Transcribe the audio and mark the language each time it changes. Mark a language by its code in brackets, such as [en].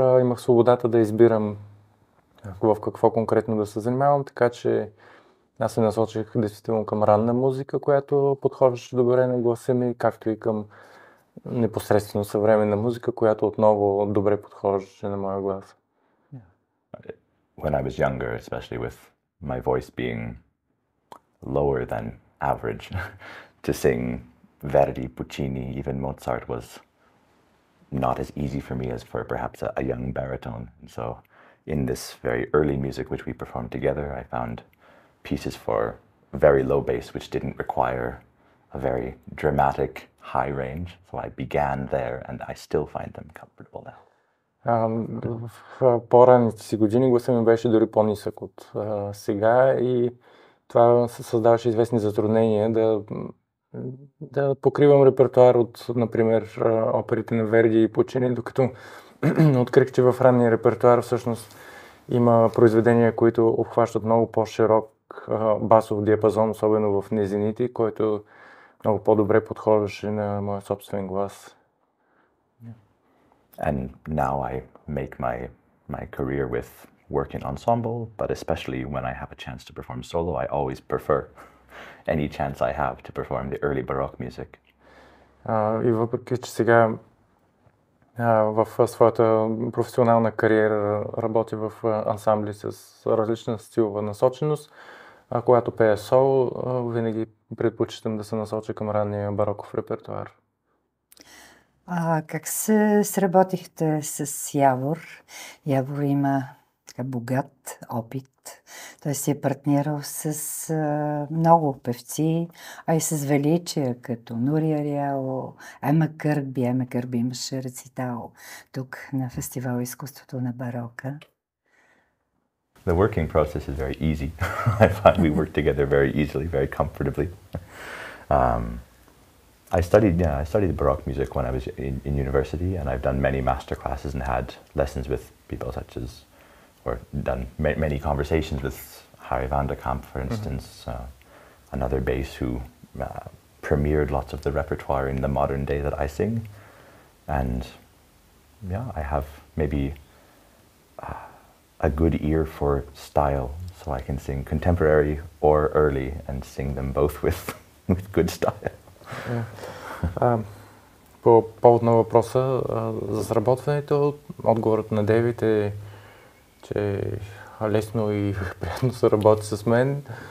[bg] Имах свободата да избирам в какво конкретно да се занимавам, така че аз се насочих действително към ранна музика, която подходваше добре на гласа ми, както и към непосредствено съвременна музика, която отново добре подходваше на моя глас. [en] When I was younger, especially with my voice being lower than average, to sing Verdi, Puccini, even Mozart was not as easy for me as for perhaps a young baritone. And so in this very early music which we performed together, I found pieces for very low bass, which didn't require a very dramatic high range. So I began there and I still find them comfortable now. [bg] В по-ранните си години гласа ми беше дори по-нисък от сега и това създаваше известни затруднения да покривам репертуар от, например, оперите на Верди и Пучини, докато открих, че в ранния репертуар всъщност има произведения, които обхващат много по-широк басов диапазон, особено в низините, който много по-добре подходваше на моя собствен глас. [en] And now I make my career with work in ensemble, but especially when I have a chance to perform solo, I always prefer any chance I have to perform the early baroque music. [bg] И въпреки, че сега в своята професионална кариера работя в ансамбли с различна стилова насоченост, когато пея соло, винаги предпочитам да се насоча към ранния бароков репертуар. Как се сработихте с Явор? Явор има така богат опит. Той си е партнирал с много певци, а и с величия, като Нури Ариало, Ема Кърби. Ема Кърби имаше рецитал тук на фестивал Изкуството на барока. [en] The working process is very easy. I find we work together very easily, very comfortably. I studied baroque music when I was in university, and I've done many master classes and had lessons with people such as, or done many conversations with Harry van de Kamp, for instance, mm-hmm. Another bass who premiered lots of the repertoire in the modern day that I sing. And yeah, I have maybe a good ear for style, so I can sing contemporary or early and sing them both with good style. [bg] По повод на въпроса за сработването, отговорът на Дейвид е, че лесно и приятно се работи с мен.